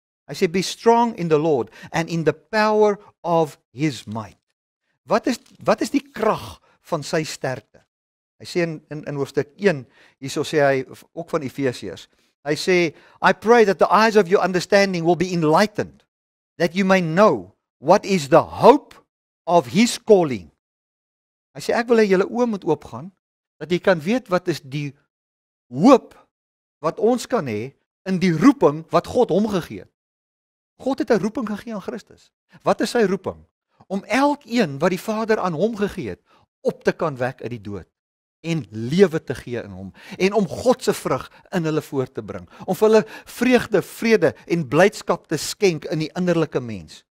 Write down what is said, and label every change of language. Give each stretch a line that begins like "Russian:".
Afrikaans: Hy sê,
English: be strong in the Lord and in the power of his might.
Afrikaans: Wat is die krag van sy sterkte? Hy sê in hoofstuk 1, hierso sê hy ook van Efesiërs. Hy sê,
English: I pray that the eyes of your understanding will be enlightened, that you may know what is the hope of his calling.
Afrikaans: Hy sê, ek wil hê julle oë moet oopgaan, dat jy kan weet wat is die hoop wat ons kan hê in die roeping wat God hom gegee het. God het 'n roeping gegee aan Christus. Wat is sy roeping? Om elkeen wat die Vader aan hom gegee het, op te kan wek uit die dood en lewe te gee in hom en om God se vrug in hulle voort te bring, om vir hulle vreugde, vrede en blydskap te skenk in die innerlike mens.